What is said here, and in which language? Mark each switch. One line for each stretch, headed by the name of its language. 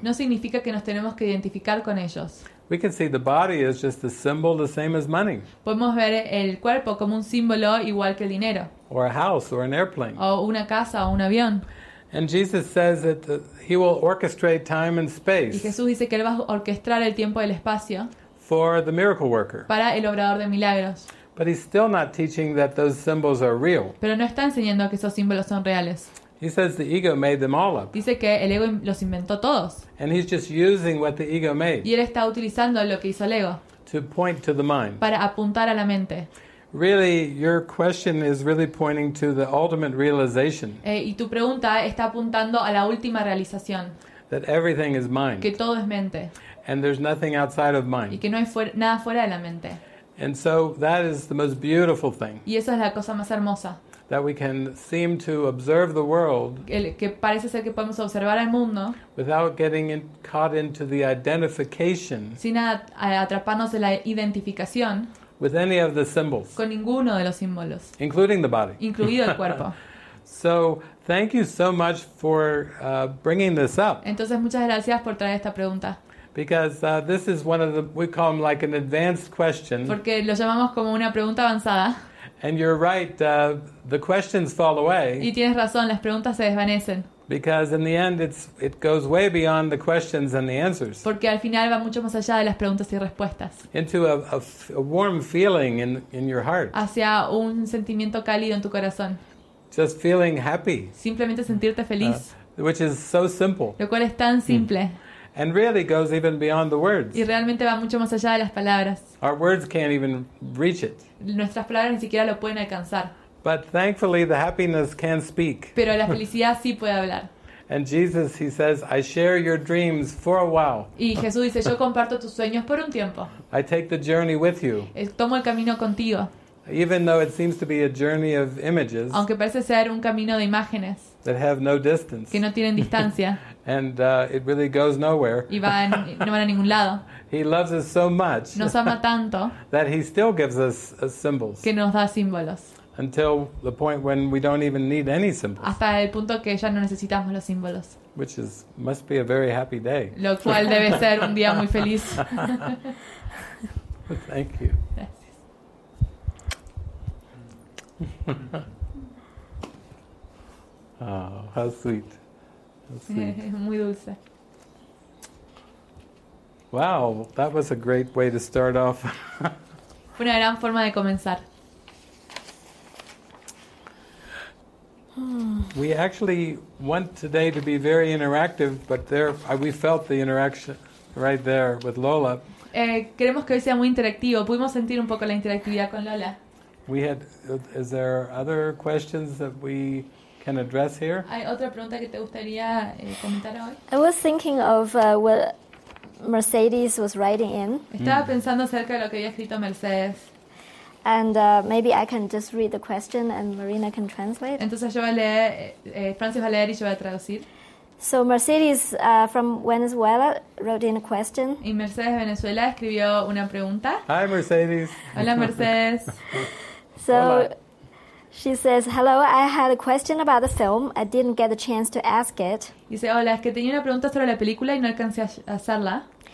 Spanish: No significa que nos tenemos que identificar con ellos.
English: We can see the body as just a symbol, the same as money.
Spanish: Podemos ver el cuerpo como un símbolo igual que el dinero.
English: Or a house or an airplane.
Spanish: O una casa o un avión.
English: And Jesus says that he will orchestrate time and space.
Spanish: Y Jesús dice que él va a orquestar el tiempo y el espacio.
English: For the miracle worker.
Spanish: Para el obrador de milagros.
English: But he's still not teaching that those symbols are real.
Spanish: Pero no está enseñando que esos símbolos son reales.
English: He says the ego made them all up.
Spanish: Dice que el ego los inventó todos.
English: And he's just using what the ego made.
Spanish: Y él está utilizando lo que hizo el ego.
English: To point to the mind.
Spanish: Para apuntar a la mente.
English: Really, your question is really pointing to the ultimate realization.
Spanish: Y tu pregunta está apuntando a la última realización.
English: That everything is mind.
Spanish: Que todo es mente.
English: And there's nothing outside of mind.
Spanish: Y que no hay nada fuera de la mente.
English: And so that is the most beautiful thing.
Spanish: Y esa es la cosa más hermosa.
English: That we can seem to observe the world.
Spanish: Que parece ser que podemos observar al mundo.
English: Without getting caught into the identification.
Spanish: Sin atraparnos en la identificación.
English: With any of the symbols.
Spanish: Con ninguno de los símbolos.
English: Including the body.
Spanish: Incluido el cuerpo.
English: So, thank you so much for bringing this up.
Spanish: Entonces, muchas gracias por traer esta pregunta.
English: Because this is one of the, we call them like an advanced question.
Spanish: Porque lo llamamos como una pregunta avanzada.
English: And you're right, the questions fall away.
Spanish: Y tienes razón, las preguntas se desvanecen.
English: Because in the end, it goes way beyond the questions and the answers.
Spanish: Porque al final va mucho más allá de las preguntas y respuestas.
English: Into a warm feeling in your heart.
Spanish: Hacia un sentimiento cálido en tu corazón.
English: Just feeling happy.
Spanish: Simplemente sentirte feliz.
English: Which is so simple.
Spanish: Lo cual es tan simple.
English: And really goes even beyond the words.
Spanish: Y realmente va mucho más allá de las palabras.
English: Our words can't even reach it.
Spanish: Nuestras palabras ni siquiera lo pueden alcanzar.
English: But thankfully, the happiness can speak.
Spanish: Pero la felicidad sí puede hablar.
English: And Jesus, he says, I share your dreams for a while.
Spanish: Y Jesús dice, yo comparto tus sueños por un tiempo.
English: I take the journey with you.
Spanish: Tomo el camino contigo.
English: Even though it seems to be a journey of images.
Spanish: Aunque parece ser un camino de imágenes.
English: That have no distance.
Spanish: Que no tienen distancia.
English: And it really goes nowhere.
Spanish: Y no van a ningún lado.
English: He loves us so much.
Spanish: Nos ama tanto.
English: That he still gives us symbols.
Spanish: Que nos da símbolos.
English: Until the point when we don't even need any symbols.
Spanish: Hasta el punto que ya no necesitamos los símbolos.
English: Which is must be a very happy day.
Spanish: Lo cual debe ser un día muy feliz.
English: Thank you. Oh, how sweet.
Spanish: Muy dulce.
English: Wow, that was a great way to start off.
Spanish: Fue una gran forma de comenzar.
English: We actually want today to be very interactive, but there we felt the interaction right there with Lola.
Spanish: Queremos que hoy sea muy interactivo. Pudimos sentir un poco la interactividad con Lola.
English: We had. Is there other questions that we can address here?
Spanish: ¿Hay otra pregunta que te gustaría comentar hoy?
English: I was thinking of what Mercedes was writing in.
Spanish: Estaba pensando acerca de lo que había escrito Mercedes.
English: And maybe I can just read the question and Marina can translate.
Spanish: Entonces yo voy a leer, Francis va a leer y yo voy a traducir.
English: So Mercedes from Venezuela wrote in a question.
Spanish: Y Mercedes de Venezuela escribió una pregunta.
English: Hi Mercedes.
Spanish: Hola Mercedes.
English: So Hola. She says, "Hello, I had a question about the film. I didn't get a chance to ask it."
Spanish: Dice, "Hola, es que tenía una pregunta sobre la película y no alcancé a hacerla."